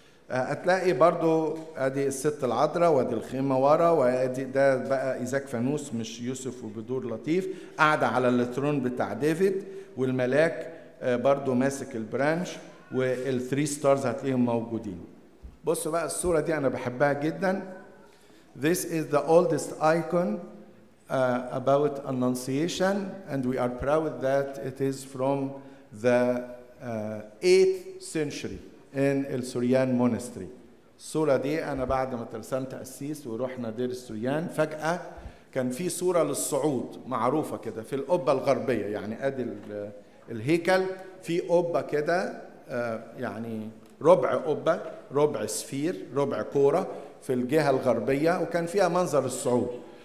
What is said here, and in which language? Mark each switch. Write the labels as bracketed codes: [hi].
[ar] هتلاقي برضو ادي الست العذراء وادي الخيمة ورا، وادي ده بقى ايزاك فانوس مش يوسف وبدور لطيف قاعدة على الترون بتاع ديفيد، والملاك برضو ماسك البرانش، والثري ستارز هتلاقيهم موجودين. بصوا بقى الصورة دي انا بحبها جدا. [en] This is the oldest icon about Annunciation, and we are proud that it is from the 8th century in El Surian Monastery. [ar] الصورة دي أنا بعد ما ترسمت أسيس ورحنا دير السريان، فجأة كان في صورة للصعود معروفة كده في القبة الغربية، يعني أدي الهيكل في قبة كده يعني ربع قبة ربع سفير ربع كورة في الجهة الغربية، وكان فيها منظر الصعود.